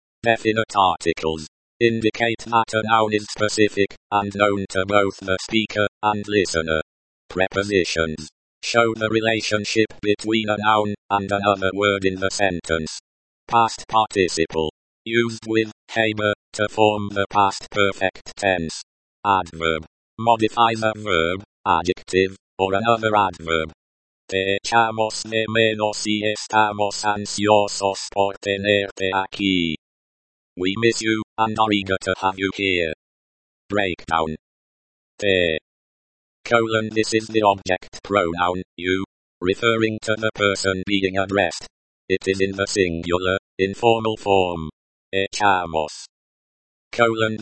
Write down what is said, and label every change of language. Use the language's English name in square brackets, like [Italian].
[English] Definite articles. Indicate that a noun is specific, and known to both the speaker and listener. Prepositions. Show the relationship between a noun and another word in the sentence. Past participle. Used with haber to form the past perfect tense. Adverb. Modifies a verb, adjective, or another adverb. [Spanish] Te echamos de menos y estamos ansiosos por tenerte aquí. [English] We miss you, and are eager to have you here. Breakdown. Te. Colon. This is the object pronoun, you, referring to the person being addressed. It is in the singular, informal form. Echamos. Colon.